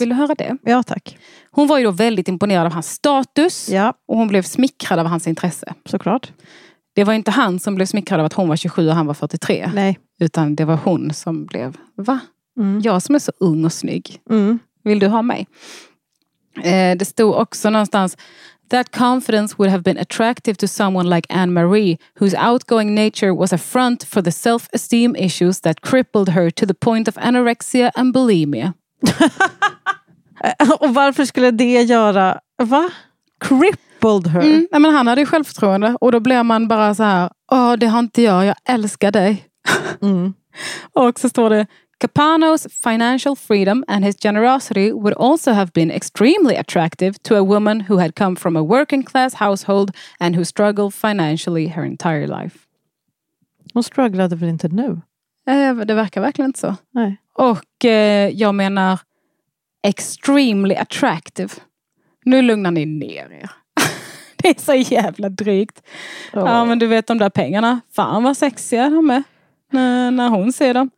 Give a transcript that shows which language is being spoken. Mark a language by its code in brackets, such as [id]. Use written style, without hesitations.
[sv] Vill du höra det? Ja, tack. Hon var ju då väldigt imponerad av hans status. Ja. Och hon blev smickrad av hans intresse. Såklart. Det var inte han som blev smickrad av att hon var 27 och han var 43. Nej. Utan det var hon som blev, va? Mm. Jag som är så ung och snygg. Mm. Vill du ha mig? Det stod också någonstans, [en] that confidence would have been attractive to someone like Anne-Marie, whose outgoing nature was a front for the self-esteem issues that crippled her to the point of anorexia and bulimia. [sv] Och varför skulle det göra, va? [en] Crippled her. [sv] Mm, men han hade ju självförtroende och då blir man bara så här, åh, det har inte jag älskar dig. Och så står det, [en] Capano's financial freedom and his generosity would also have been extremely attractive to a woman who had come from a working class household and who struggled financially her entire life. [sv] Hon strugglade väl inte nu? Det verkar verkligen inte så. Nej. Och jag menar [en] extremely attractive. [sv] Nu lugnar ni ner er. Det är så jävla drygt. Oh. Ja, men du vet de där pengarna. Fan vad sexiga de är. När hon ser dem.